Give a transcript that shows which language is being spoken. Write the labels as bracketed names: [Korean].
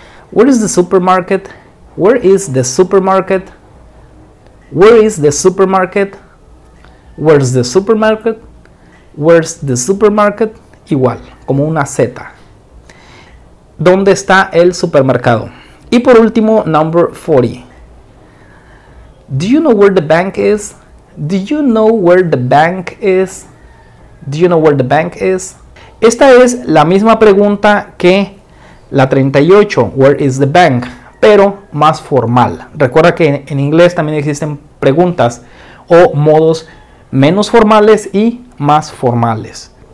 [English] Where is the supermarket? Where is the supermarket? Where is the supermarket? Where's the supermarket? Where's the supermarket? [Spanish] Igual, como una Z. ¿Dónde está el supermercado? Y por último, number 40. [English] Do you know where the bank is? Do you know where the bank is? Do you know where the bank is? [Spanish] Esta es la misma pregunta que la 38, [English] where is the bank, [Spanish] pero más formal. Recuerda que en inglés también existen preguntas o modos menos formales y más formales.